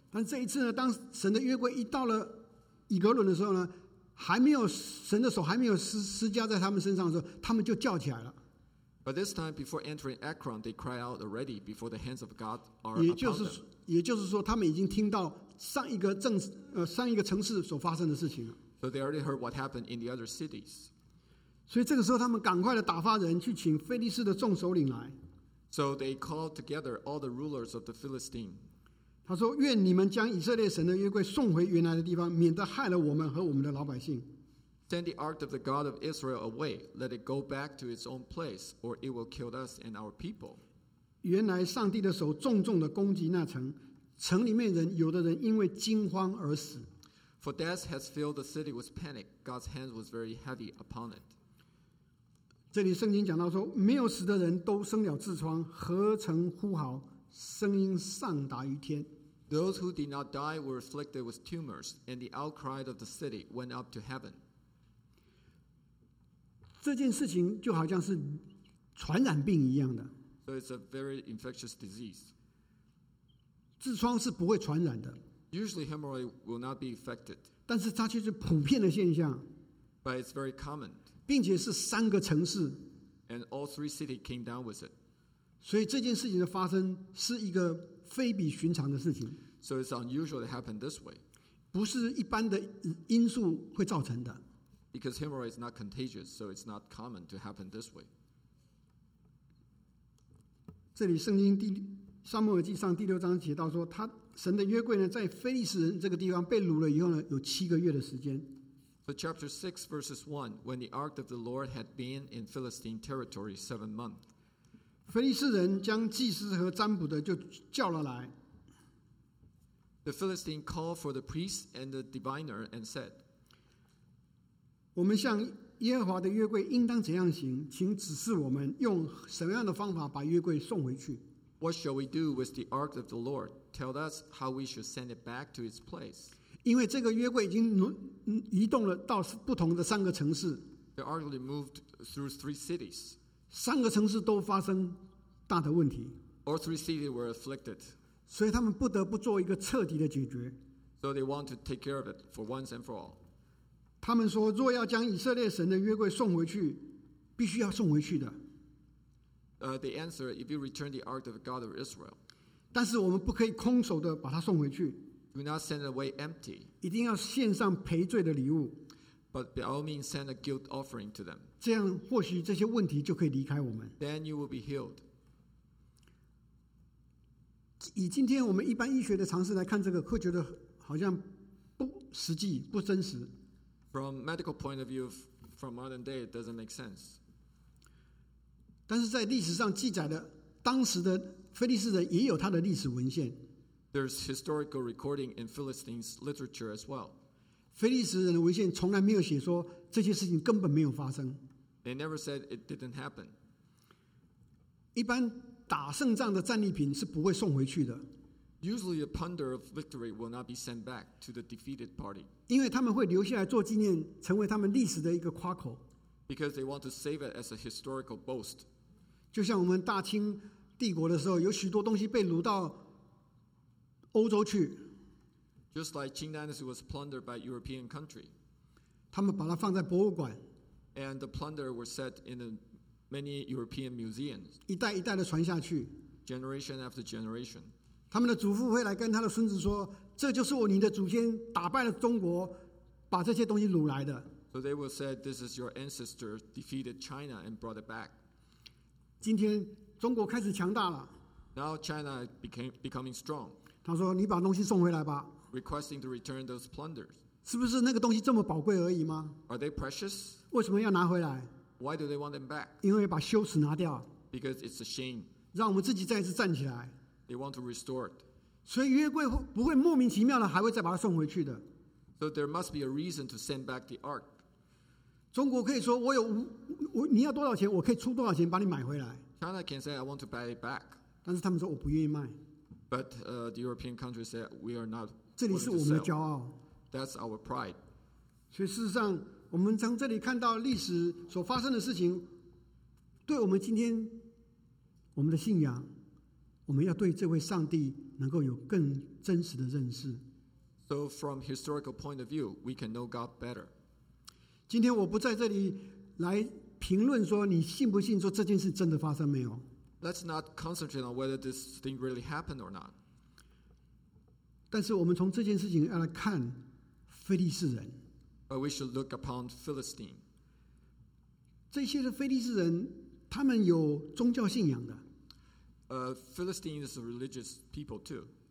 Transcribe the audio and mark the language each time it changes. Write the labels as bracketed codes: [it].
[zh] 但这一次呢，当神的约柜一到了以格伦的时候呢，还没有神的手还没有施加在他们身上的时候，他们就叫起来了。 [en] But this time, before entering Ekron, they cry out already before the hands of God are upon them. [zh] 也就是说，他们已经听到。上一个城市所发生的事情。 [en] So they already heard what happened in the other cities. [zh] 所以这个时候，他们赶快的打发人去请非利士的众首领来。 [en] So they called together all the rulers of the Philistine. [zh] 他说：“愿你们将以色列神的约柜送回原来的地方，免得害了我们和我们的老百姓。” [en] Send the ark of the God of Israel away. Let it go back to its own place, or it will kill us and our people. [zh] 原来上帝的手重重的攻击那城。城里面人有的人因为惊慌而死。 [en] For death has filled the city with panic. God's hand was very heavy upon it. [zh] 这里圣经讲到说，没有死的人都生了痔疮，何曾呼号，声音上达于天。 [en] Those who did not die were afflicted with tumors, and the outcry of the city went up to heaven. [zh] 这件事情就好像是传染病一样的。 [en] So it's a very infectious disease. [zh] 痔疮是不会传染的。 [en] Usually hemorrhoid will not be affected. [zh] 但是它却是普遍的现象。 [en] But it's very common. [zh] 并且是三个城市。 [en] And all three cities came down with it. [zh] 所以这件事情的发生是一个非比寻常的事情。 [en] So it's unusual to happen this way. [zh] 不是一般的因素会造成的。 [en] Because hemorrhoid is not contagious, so it's not common to happen this way. [zh] 这里圣经第撒母耳记上第六章写到说，他神的约柜呢，在非利士人这个地方被掳了以后呢，有七个月的时间。 [en] So chapter 6 verses 1, when the ark of the Lord had been in Philistine territory 7 months, [zh] 非利士人将祭司和占卜的就叫了来。 [en] The Philistine called for the priest and the diviner and said, [zh] 我们向耶和华的约柜应当怎样行？请指示我们用什么样的方法把约柜送回去。 [en] What shall we do with the ark of the Lord? Tell us how we should send it back to its place. [zh] 因为这个约柜已经移动了到不同的三个城市。 [en] The ark had moved through three cities. [zh] 三个城市都发生大的问题。 [en] All three cities were afflicted. [zh] 所以他们不得不做一个彻底的解决。 [en] So they want to take care of it for once and for all. [zh] 他们说，若要将以色列神的约柜送回去，必须要送回去的。 [en] They answer, if you return the ark of the God of Israel. [zh] 但是我们不可以空手的把它送回去。 [en] Do not send away empty. [zh] 一定要献上赔罪的礼物。 [en] But by all means send a guilt offering to them. [zh] 这样或许这些问题就可以离开我们。 [en] Then you will be healed. [zh] 以今天我们一般医学的常识来看这个，会觉得好像不实际、不真实。 [en] From medical point of view, from modern day, it doesn't make sense. [zh] 但是在历史上记载的，当时的腓力斯人也有他的历史文献。 [en] There's historical recording in Philistines literature as well. [zh] 腓力斯人的文献从来没有写说这些事情根本没有发生。 [en] They never said it didn't happen. [zh] 一般打胜仗的战利品是不会送回去的。 [en] Usually the plunder of victory will not be sent back to the defeated party. [zh] 因为他们会留下来做纪念，成为他们历史的一个夸口。 [en] Because they want to save it as a historical boast. [zh] 就像我们大清帝国的时候，有许多东西被掳到欧洲去。 [en] Just like Qing Dynasty was plundered by European country. [zh] 他们把它放在博物馆。 [en] And the plunder were set in the many European museums. [zh] 一代一代的传下去。 [en] Generation after generation. [zh] 他们的祖父会来跟他的孙子说，这就是我你的祖先打败了中国，把这些东西掳来的。 [en] So they will say, this is your ancestor defeated China and brought it back. [zh] 今天中国开始强大了。 [en] Now China becoming strong. [zh] 他说你把东西送回来吧。 [en] Requesting to return those plunders. [zh] 是不是那个东西这么宝贵而已吗？ [en] Are they precious? [zh] 为什么要拿回来？ [en] Why do they want them back? [zh] 因为把羞耻拿掉。 [en] Because it's a shame. [zh] 让我们自己再一次站起来。 [en] They want to restore it. [zh] 所以约柜不会莫名其妙的还会再把它送回去的。 [en] So there must be a reason to send back the ark. [zh] 中国可以说我有我你要多少钱，我可以出多少钱把你买回来。 [en] China can say I want to buy it back. [zh] 但是他们说我不愿意卖。 [en] But the European country said we are not. [zh] 这里是我们的骄傲。 [en] That's our pride. [zh] 所以事实上，我们从这里看到历史所发生的事情，对我们今天我们的信仰。我们要对这位上帝能够有更真实的认识。 [en] So from historical point of view, we can know God better. [zh] 今天我不在这里来评论说你信不信说这件事真的发生没有。 [en] Let's not concentrate on whether this thing really happened or not. [zh] 但是我们从这件事情要来看腓力斯人。 [en] But we should look upon Philistine. [zh] 这些的腓力斯人，他们有宗教信仰的。 [en] Philistine is a religious people too.